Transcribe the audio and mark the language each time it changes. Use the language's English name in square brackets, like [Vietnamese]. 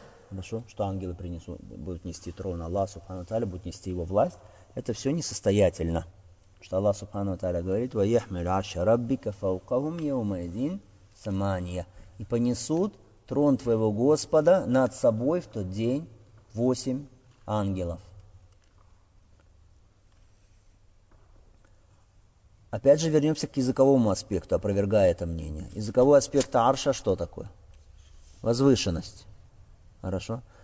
[Russian] Хорошо, что ангелы принесут, будут нести трон Аллаха Субхану ва Тааля, будут нести его власть. Это все несостоятельно. Что Аллах Субхану ва Тааля говорит, [Arabic] وَيَحْمِلْ عَرْشَ رَبِّكَ فَوْقَهُمْ يَوْمَ اِذِينَ سَمَانِيَ. [Russian] И понесут трон твоего Господа над собой в тот день 8 ангелов. Опять же вернемся к языковому аспекту, опровергая это мнение. Языковой аспект арша что такое? Возвышенность. Хорошо.